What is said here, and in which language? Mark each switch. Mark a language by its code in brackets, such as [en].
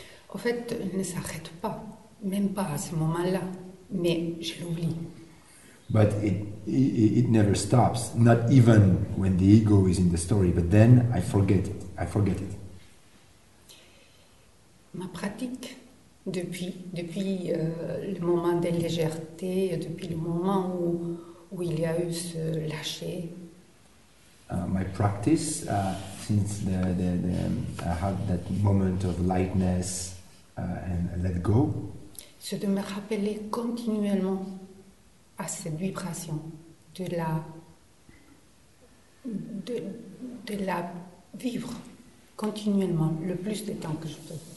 [fr] En fait, il ne s'arrête pas, même pas à ce moment-là, mais je l'oublie. [en] But it never stops, not even when the ego is in the story, but then I forget it. [fr] Ma pratique depuis le moment de légèreté, depuis le moment où il y a eu ce lâcher. [en] My practice since the I had that moment of lightness and let go. [fr] C'est de me rappeler continuellement à cette vibration de la vivre continuellement le plus de temps que je peux.